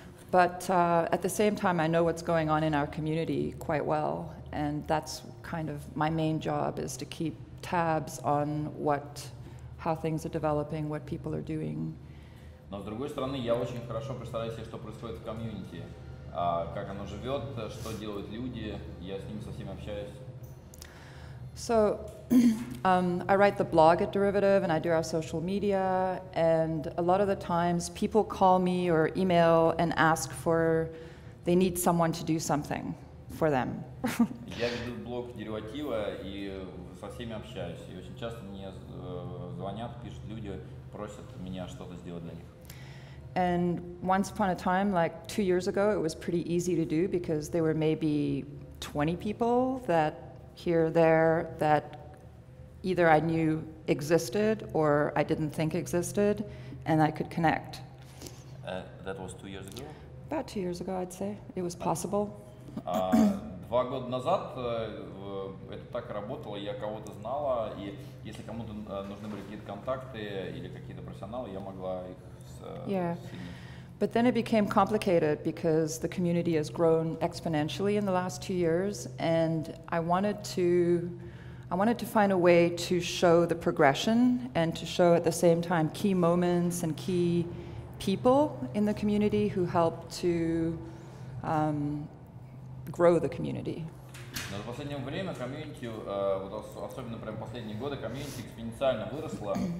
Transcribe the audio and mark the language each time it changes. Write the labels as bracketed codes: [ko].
[en] But at the same time, I know what's going on in our community quite well, and that's kind of my main job, is to keep tabs on how things are developing, what people are doing. [ru] Но с другой стороны, я очень хорошо представляю себе, что происходит в комьюнити, как оно живет, что делают люди, я с ними со всеми общаюсь. [en] So, I write the blog at Derivative, and I do our social media, and a lot of the times people call me or email and ask for, they need someone to do something for them. [ru] Я веду блог Дериватива, и со всеми общаюсь, и очень часто мне звонят, пишут люди, просят меня что-то сделать для них. [en] And once upon a time, like 2 years ago, it was pretty easy to do because there were maybe 20 people that here, there, that either I knew existed or I didn't think existed, and I could connect. That was 2 years ago? About 2 years ago, I'd say. It was possible. [ru] Два года назад это так работало, я кого-то знала, и если кому-то нужны были какие-то контакты или какие-то профессионалы, я могла их... [en] Yeah, but then it became complicated because the community has grown exponentially in the last 2 years, and I wanted to find a way to show the progression and to show at the same time key moments and key people in the community who helped to grow the community. [ru] Но в последнее время комьюнити, вот особенно прям последние годы, комьюнити экспоненциально выросла.